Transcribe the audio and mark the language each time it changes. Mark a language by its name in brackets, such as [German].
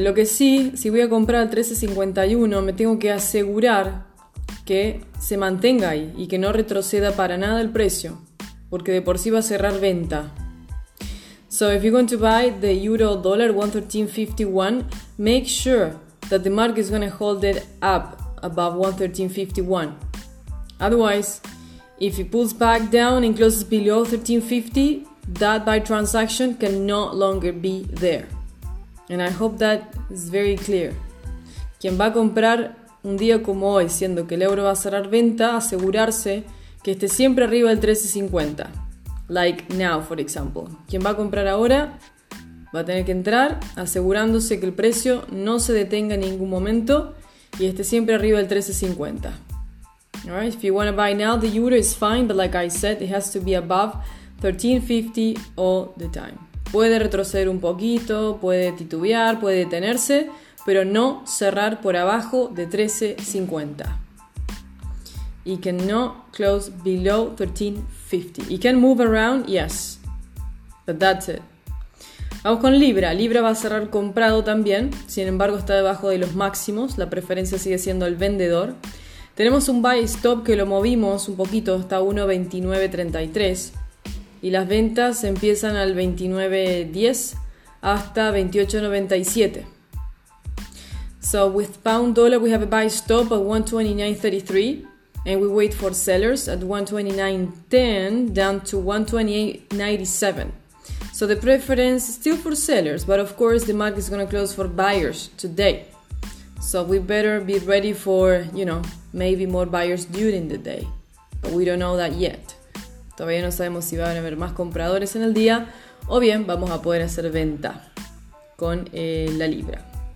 [Spanish] Lo que sí, si voy a comprar al 13.51, me tengo que asegurar que se mantenga ahí y que no retroceda para nada el precio, porque de por sí va a cerrar venta. [English] So if you're going to buy the euro dollar 1.1351, make sure that the market is going to hold it up above 1.1351. Otherwise, if it pulls back down and closes below 1350, that buy transaction can no longer be there. And I hope that is very clear. [Spanish] Quien va a comprar un día como hoy, siendo que el euro va a cerrar venta, asegurarse que esté siempre arriba del 1350. [English] Like now, for example. [Spanish] Quien va a comprar ahora, va a tener que entrar asegurándose que el precio no se detenga en ningún momento y esté siempre arriba del 1350. [English] Alright, if you want to buy now, the euro is fine, but like I said, it has to be above 1350 all the time. [Spanish] Puede retroceder un poquito, puede titubear, puede detenerse, pero no cerrar por abajo de 13.50. [English] It cannot close below 13.50. It can move around, yes, but that's it. [Spanish] Vamos con Libra. Libra va a cerrar comprado también, sin embargo está debajo de los máximos, la preferencia sigue siendo el vendedor. Tenemos un buy stop que lo movimos un poquito, está a 1.2933. Y las ventas empiezan al 29.10 hasta 28.97. [English] So with pound dollar we have a buy stop at 1.2933 and we wait for sellers at 1.2910 down to 1.2897. So the preference is still for sellers, but of course the market is going to close for buyers today. So we better be ready for, you know, maybe more buyers during the day. But we don't know that yet. [Spanish] Todavía no sabemos si van a haber más compradores en el día o bien vamos a poder hacer venta con la libra.